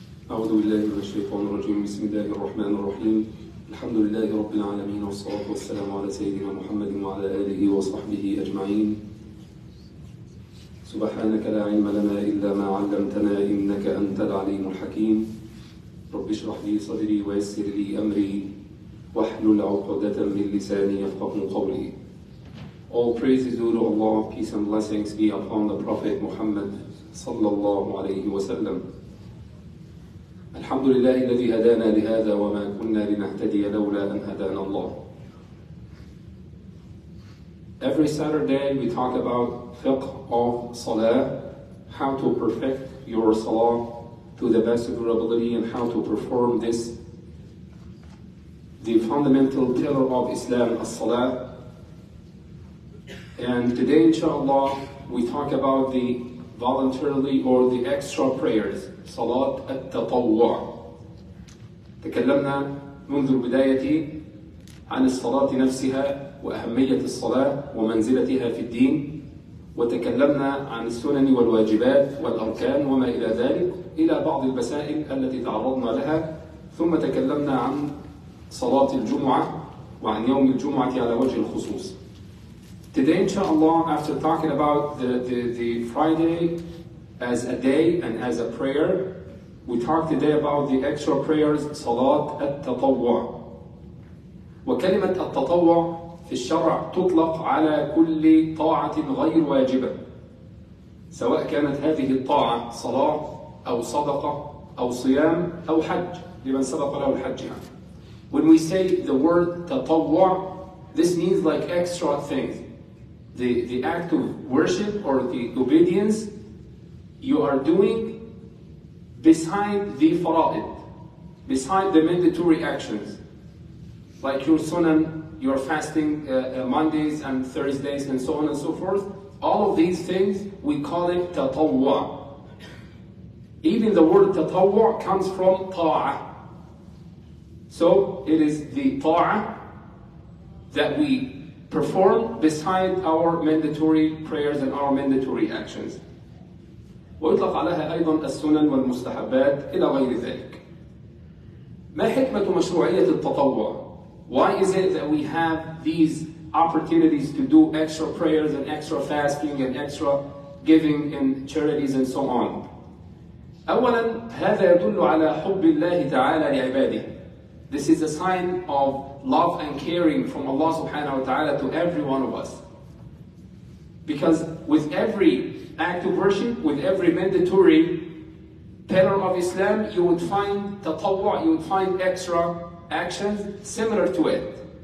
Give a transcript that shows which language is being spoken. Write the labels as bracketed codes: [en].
[ar] أعوذ بالله من الشيطان الرجيم. بسم الله الرحمن الرحيم. الحمد لله رب العالمين، والصلاة والسلام على سيدنا محمد وعلى آله وصحبه أجمعين. سبحانك لا علم لنا إلا ما علمتنا، إنك أنت العليم الحكيم. رب اشرح لي صدري ويسر لي أمري واحلل عقدة من لساني يفقهوا قولي. [en] All praise is due to Allah, peace and blessings be upon the Prophet Muhammad [ar] صلى الله عليه وسلم. الحمد لله الذي هدانا لهذا وما كنا لنهتدي لولا أن هدانا الله. [en] Every Saturday we talk about fiqh of salah, how to perfect your salah to the best of your ability, and how to perform this, the fundamental pillar of Islam, as-salah. And today, inshallah, we talk about the voluntarily or the extra prayers, salat at-tatawwa. [ar] تكلمنا منذ البداية عن الصلاة نفسها وأهمية الصلاة ومنزلتها في الدين، وتكلمنا عن السنن والواجبات والأركان وما إلى ذلك إلى بعض المسائل التي تعرضنا لها، ثم تكلمنا عن صلاة الجمعة وعن يوم الجمعة على وجه الخصوص. [en] Today, inshallah, after talking about the Friday as a day and as a prayer, we talk today about the extra prayers, salat at-tatawwa. [ar] وكلمة التطوع في الشرع تطلق على كل طاعة غير واجبة، سواء كانت هذه الطاعة صلاة أو صدقة أو صيام أو حج لمن سبق له الحج. [en] When we say the word تطوع, this means like extra things. The act of worship or the obedience you are doing beside the fara'id, beside the mandatory actions, like your sunan, your fasting Mondays and Thursdays and so on and so forth, all of these things we call it tatawwa. Even the word tatawwa comes from ta'a. So it is the ta'a that we perform beside our mandatory prayers and our mandatory actions. [ar] ويطلق عليها أيضا السنن والمستحبات إلى غير ذلك. ما حكمة مشروعية التطوع؟ [en] Why is it that we have these opportunities to do extra prayers and extra fasting and extra giving in charities and so on? [ar] أولا، هذا يدل على حب الله تعالى لعباده. [en] This is a sign of love and caring from Allah subhanahu wa ta'ala to every one of us. Because with every act of worship, with every mandatory pillar of Islam, you would find tatawwa, you would find extra actions similar to it.